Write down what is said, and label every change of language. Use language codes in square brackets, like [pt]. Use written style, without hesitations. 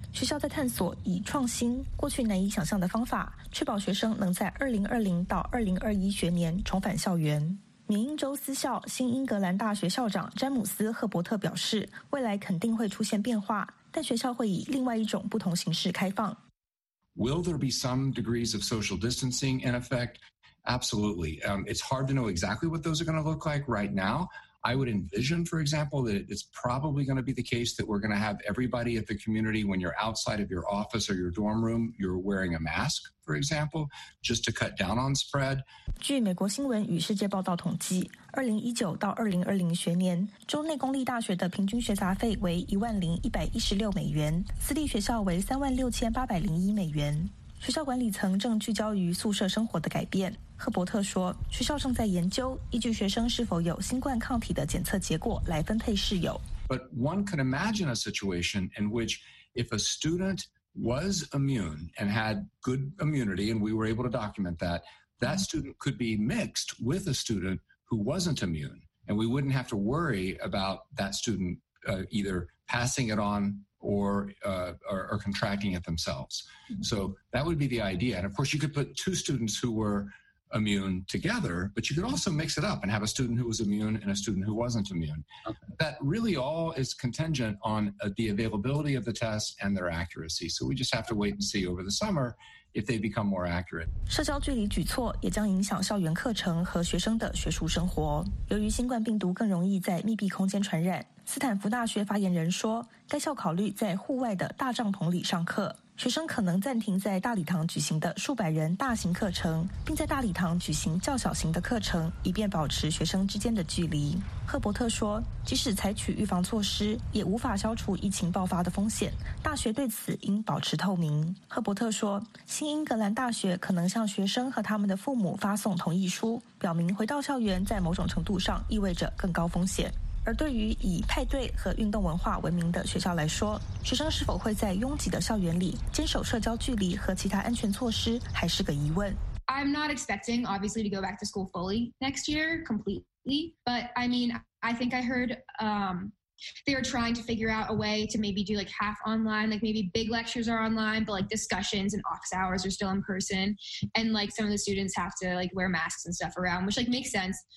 [zh] 学校在探索以创新过去难以想象的方法，确保学生能在2020到2021学年重返校园。缅因州私校新英格兰大学校长詹姆斯·赫伯特表示，未来肯定会出现变化，但学校会以另外一种不同形式开放。 [en] Will there be some degrees of social distancing in effect? Absolutely. It's hard to know exactly what those are going to look like right now. I would envision, for example, that it's probably going to be the case that we're going to have everybody at the community when you're outside of your office or your dorm room, you're wearing a mask, for example, just to cut down on spread. [zh] 据美国新闻与世界报道统计，2019到2020学年，州内公立大学的平均学杂费为$10,116，私立学校为$36,801。学校管理层正聚焦于宿舍生活的改变。赫伯特说，学校正在研究依据学生是否有新冠抗体的检测结果来分配室友。 [en] But one could imagine a situation in which if a student was immune and had good immunity and we were able to document that, that student could be mixed with a student who wasn't immune. And we wouldn't have to worry about that student either passing it onor contracting it themselves. So that would be the idea. And of course, you could put two students who were immune together, but you could also mix it up and have a student who was immune and a student who wasn't immune. That really all is contingent on the availability of the test and their accuracy. So we just have to wait and see over the summer if they become more accurate. [zh] 社交距离举措也将影响校园课程和学生的学术生活。由于新冠病毒更容易在密闭空间传染，斯坦福大学发言人说，该校考虑在户外的大帐篷里上课，学生可能暂停在大礼堂举行的数百人大型课程，并在大礼堂举行较小型的课程，以便保持学生之间的距离。赫伯特说，即使采取预防措施，也无法消除疫情爆发的风险，大学对此应保持透明。赫伯特说，新英格兰大学可能向学生和他们的父母发送同意书，表明回到校园在某种程度上意味着更高风险。而对于以派对和运动文化闻名的学校来说，学生是否会在拥挤的校园里坚守社交距离和其他安全措施还是个疑问。 [en] I'm not expecting, obviously, to go back to school fully next year, completely. But, I mean, I think I heard, they're trying to figure out a way to maybe do, like, half online. Like, maybe big lectures are online, but, like, discussions and office hours are still in person. And, like, some of the students have to, like, wear masks and stuff around, which, like, makes sense.